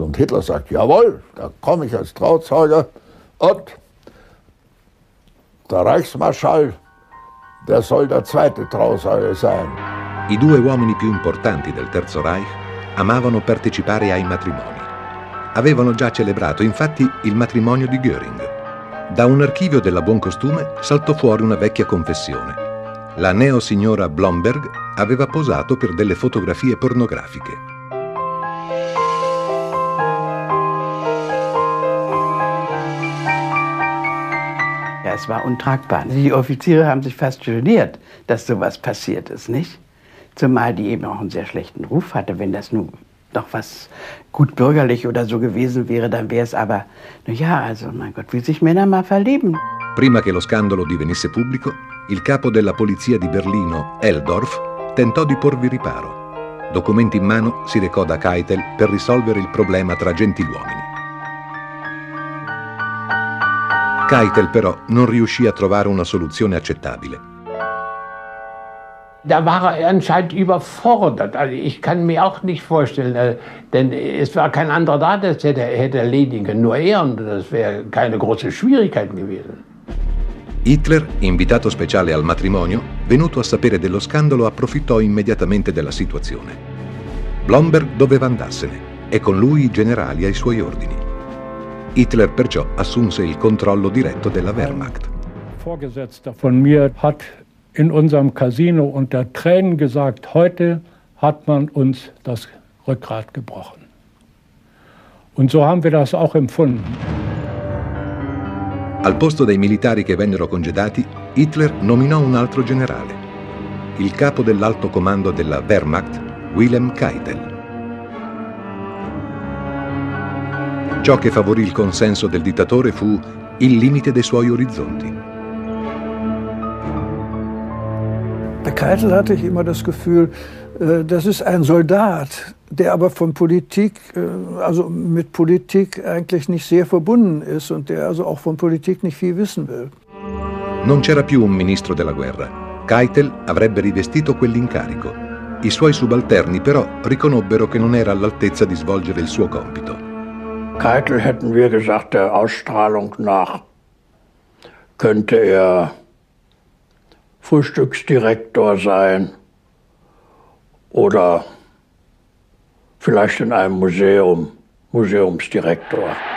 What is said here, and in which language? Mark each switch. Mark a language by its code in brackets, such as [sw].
[de] Und Hitler sagt, jawohl, da komme ich als Trauzeuge. Und der Reichsmarschall, der soll der zweite Trauzeuge sein. [it] I due uomini più importanti del Terzo Reich amavano partecipare ai matrimoni. Avevano già celebrato, infatti, il matrimonio di Göring. Da un archivio della Buon Costume saltò fuori una vecchia confessione. La neo signora Blomberg aveva posato per delle fotografie pornografiche. [de] Es war untragbar. Die Offiziere haben sich fast geniert, dass sowas passiert ist, nicht? Zumal die eben auch einen sehr schlechten Ruf hatte. Wenn das nun noch was gut bürgerlich oder so gewesen wäre, dann wäre es aber, naja, also mein Gott, wie sich Männer mal verlieben. [it] Prima che lo scandalo divenisse pubblico, il capo della polizia di Berlino, Eldorf, tentò di porvi riparo. Documenti in mano, si recò da Keitel per risolvere il problema tra gentiluomini. Keitel però non riuscì a trovare una soluzione accettabile. [de] Da war er anscheinend überfordert. Also ich kann mir auch nicht vorstellen, denn es war kein anderer da, das hätte erledigen können, nur er, und das wäre keine große Schwierigkeit gewesen. [it] Hitler, invitato speciale al matrimonio, venuto a sapere dello scandalo, approfittò immediatamente della situazione. Blomberg doveva andarsene e con lui i generali ai suoi ordini. Hitler perciò assunse il controllo diretto della Wehrmacht. [de] Vorgesetzter von mir hat in unserem Casino unter Tränen gesagt, heute hat man uns das Rückgrat gebrochen. Und so haben wir das auch empfunden. [it] Al posto dei militari che vennero congedati, Hitler nominò un altro generale, il capo dell'alto comando della Wehrmacht, Wilhelm Keitel. Ciò che favorì il consenso del dittatore fu il limite dei suoi orizzonti. [de] Bei Keitel hatte ich immer das Gefühl, das ist ein Soldat, der aber von Politik, also mit Politik eigentlich nicht sehr verbunden ist und der also auch von Politik nicht viel wissen will. [it] Non c'era più un ministro della guerra. Keitel avrebbe rivestito quell'incarico. I suoi subalterni però riconobbero che non era all'altezza di svolgere il suo compito. [de] Keitel, hätten wir gesagt, der Ausstrahlung nach könnte er Frühstücksdirektor sein oder vielleicht in einem Museum, Museumsdirektor.